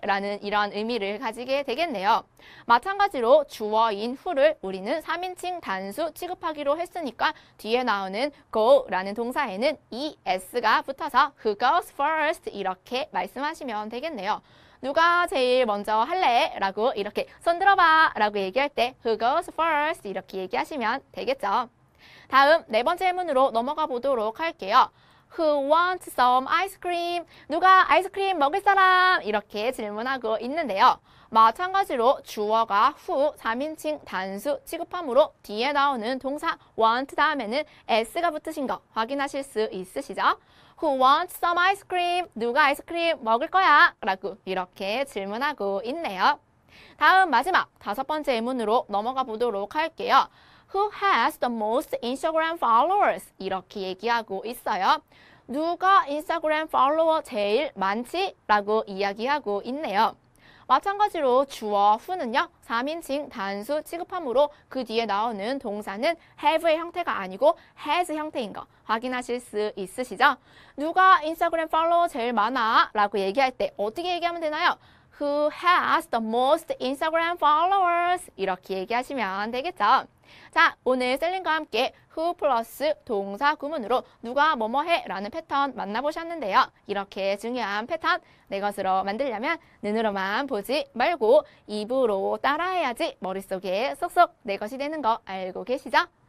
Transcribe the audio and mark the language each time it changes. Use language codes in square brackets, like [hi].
[ko] 라는 이런 의미를 가지게 되겠네요. 마찬가지로 주어인 who를 우리는 3인칭 단수 취급하기로 했으니까 뒤에 나오는 go라는 동사에는 es가 붙어서 [en] who goes first? [ko] 이렇게 말씀하시면 되겠네요. 누가 제일 먼저 할래? 라고 이렇게 손 들어봐! 라고 얘기할 때 [en] who goes first? [ko] 이렇게 얘기하시면 되겠죠. 다음 네 번째 문으로 넘어가 보도록 할게요. [en] Who wants some ice cream? [ko] 누가 아이스크림 먹을 사람? 이렇게 질문하고 있는데요. 마찬가지로 주어가 who 3인칭 단수 취급함으로 뒤에 나오는 동사 want 다음에는 s가 붙으신 거 확인하실 수 있으시죠? [en] Who wants some ice cream? [ko] 누가 아이스크림 먹을 거야? 라고 이렇게 질문하고 있네요. 다음 마지막 다섯 번째 문으로 넘어가 보도록 할게요. [en] Who has the most Instagram followers? [ko] 이렇게 얘기하고 있어요. 누가 인스타그램 팔로워 제일 많지? 라고 이야기하고 있네요. 마찬가지로 주어 who는요, 3인칭 단수 취급함으로 그 뒤에 나오는 동사는 have의 형태가 아니고 has 형태인 거 확인하실 수 있으시죠? 누가 인스타그램 팔로워 제일 많아? 라고 얘기할 때 어떻게 얘기하면 되나요? [en] Who has the most Instagram followers? [ko] 이렇게 얘기하시면 되겠죠. 자, 오늘 셀린과 함께 who 플러스 동사 구문으로 누가 뭐뭐 해라는 패턴 만나보셨는데요. 이렇게 중요한 패턴, 내 것으로 만들려면 눈으로만 보지 말고 입으로 따라해야지 머릿속에 쏙쏙 내 것이 되는 거 알고 계시죠?